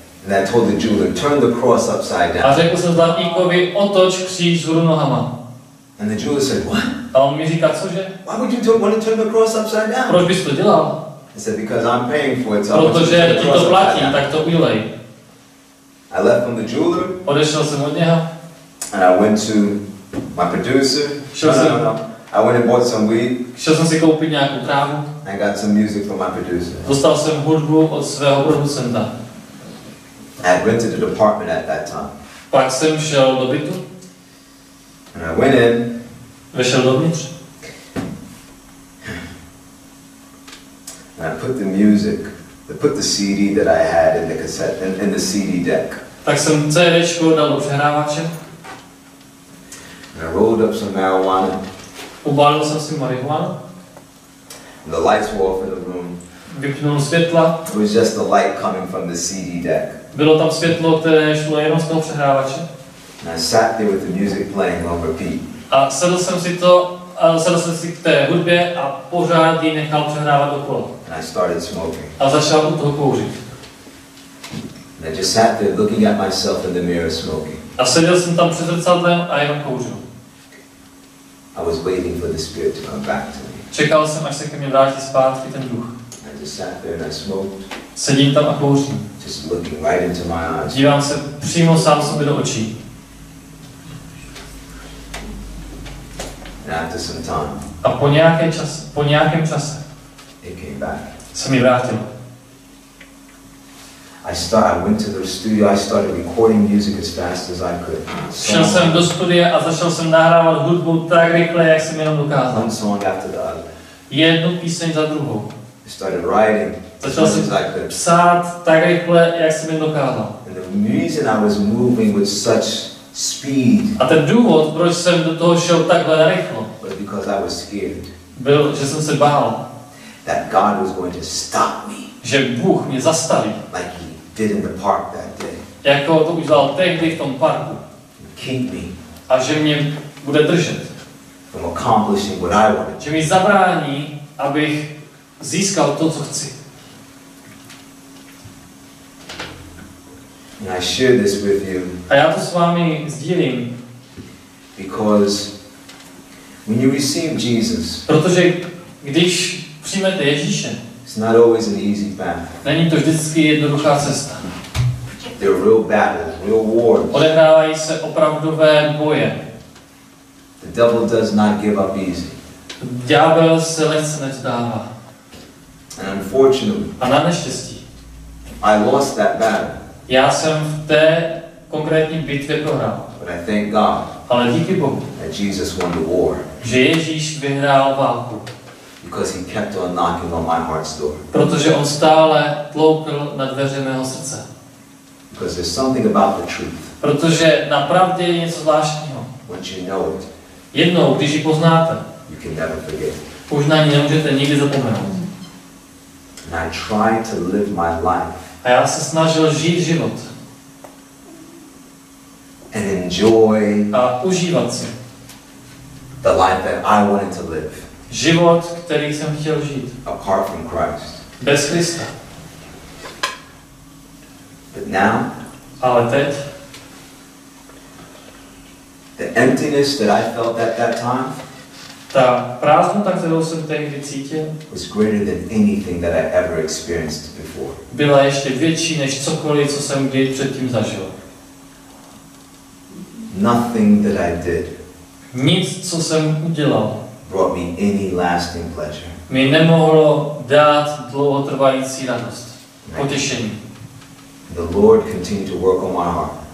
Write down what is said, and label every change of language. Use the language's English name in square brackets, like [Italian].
[English] And I told the jeweler, turn the cross upside down. [Czech] A řekl jsem zlatníkovi, otoč kříž vzhůru nohama. [English] And the jeweler said, what? [Czech] A on mi říká, cože? [English] Why would you want to turn the cross upside down? [Czech] Proč bys to dělal? [English] I said, because I'm paying for it, so [Czech] protože ti to platím, tak to udělej. [English] I left from the jeweler. [Czech] Odešel jsem od něho. [English] And I went to my producer. I went and bought some weed. [Czech] Šel jsem si koupit nějakou trávu. [English] I got some music from my producer. [Czech] Dostal jsem hudbu od svého producenta. [English] I had rented an apartment at that time. [Czech] Pak jsem šel do bytu. [English] And I went in. [Czech] Vešel dovnitř. [English] And I put the music, I put the CD that I had in the cassette, in the CD deck. [Czech] Tak jsem CDčko dal do přehrávače. [English] And I rolled up some marijuana. [Czech] Ubalil jsem si marihuanu. [English] And the lights were off in the room. [Czech] Vypnul světla. [English] It was just the light coming from the CD deck. [Czech] Bylo tam světlo, které šlo jenom z toho přehrávače. [English] And I sat there with the music playing on repeat. [Czech] A sedl jsem si to, sedl jsem si k té hudbě a pořád ji nechal přehrávat okolo. [English] And I started smoking. [Czech] A začal u toho kouřit. [English] And I just sat there looking at myself in the mirror smoking. [Czech] A seděl jsem tam před zrcadlem a jenom kouřil. [English] I was waiting for the spirit to come back to me. [Czech] Čekal jsem, až se ke mně vrátí zpátky ten duch. [English] I just sat there and I smoked. [Czech] Sedím tam a kouřím. [English] Just looking right into my eyes. [Czech] Dívám se přímo sám sobě do očí. [English] And after some time. [Czech] A po nějakém čase. [English] It came back. [Czech] Se mi vrátilo. [English] I went to the studio, I started recording music as fast as I could. [Czech] Šel jsem do studia a začal jsem nahrávat hudbu tak rychle, jak jsem jenom dokázal. [English] One song after the other. [Czech] Jednu píseň za druhou. [English] I started writing. [Czech] Začal jsem psát tak rychle, jak jsem jenom dokázal. [English] And the reason I was moving with such speed. [Czech] A ten důvod, proč jsem do toho šel takhle rychle. [English] Was because I was scared. [Czech] Byl, že jsem se bál. [English] That God was going to stop me. [Czech] Že Bůh mě zastaví. [English] Like he did in the park that day. [Czech] Jako to udělal tehdy v tom parku. [English] Keep me. [Czech] A že mě bude držet. [English] From accomplishing what I wanted. [Czech] Že mi zabrání, abych získal to, co chci. [English] And I share this with you. [Czech] A já to s vámi sdílím. [English] Because when you receive Jesus. [Czech] Protože když přijmete Ježíše. [English] It's not always an easy path. [Czech] Není to vždycky jednoduchá cesta. [English] There are real battles, real wars. [Czech] Odehrávají se opravdové boje. [English] The devil does not give up easy. [Czech] Ďábel se lehce nevzdává. [English] And unfortunately. [Czech] A na neštěstí. [English] I lost that battle. [Czech] Já jsem v té konkrétní bitvě prohrál. [English] But I thank God. [Czech] Ale díky Bohu. [English] That Jesus won the war. [Czech] Že Ježíš vyhrál válku. [English] Because he kept on knocking on my heart's door. [Czech] Protože on stále tloukl na dveře mého srdce. [English] Because there's something about the truth. [Czech] Protože na pravdě je něco zvláštního. [English] Once you know it. [Czech] Jednou, když ji poznáte. [English] You can never forget. [Czech] Už na ní nemůžete nikdy zapomenout. [English] And I tried to live my life. [Czech] A já se snažil žít život. [English] And enjoy. [Czech] A užívat si. [English] The life that I wanted to live. [Czech] Život, který jsem chtěl žít. [English] Apart from Christ. [Czech] Bez Krista. [English] But now, [Czech] ale teď, [English] The emptiness that I felt at that time, [Czech] ta prázdnota, kterou jsem tehdy cítil, [English] was greater than anything that I ever experienced before. [Czech] Byla ještě větší než cokoliv, co jsem kdy předtím zažil. [English] Nothing that I did, [Czech] nic, co jsem udělal, [English] brought me any lasting pleasure. [Czech] Mi nemohlo dát dlouhotrvající radost, potěšení. [English] The Lord continued to work on my heart.